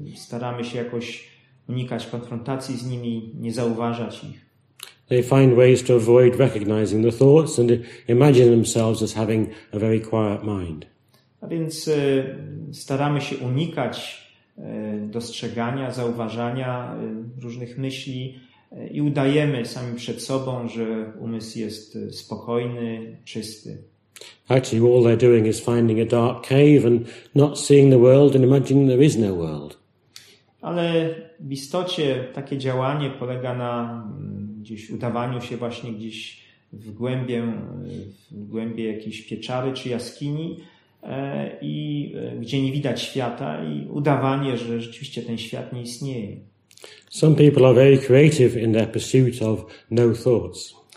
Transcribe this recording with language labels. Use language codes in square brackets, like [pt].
[pl] Staramy się jakoś unikać konfrontacji z nimi, nie zauważać ich. [en] They find ways to avoid recognizing the thoughts and imagine themselves as having a very quiet mind. [pl] A więc staramy się unikać dostrzegania, zauważania różnych myśli i udajemy sami przed sobą, że umysł jest spokojny, czysty. [en] Actually, all they're doing is finding a dark cave and not seeing the world and imagining there is no world. [pl] Ale w istocie takie działanie polega na gdzieś udawaniu się właśnie gdzieś w głębie jakiejś pieczary czy jaskini, i gdzie nie widać świata i udawanie, że rzeczywiście ten świat nie istnieje. [en] Some people are very creative in their pursuit of no thoughts.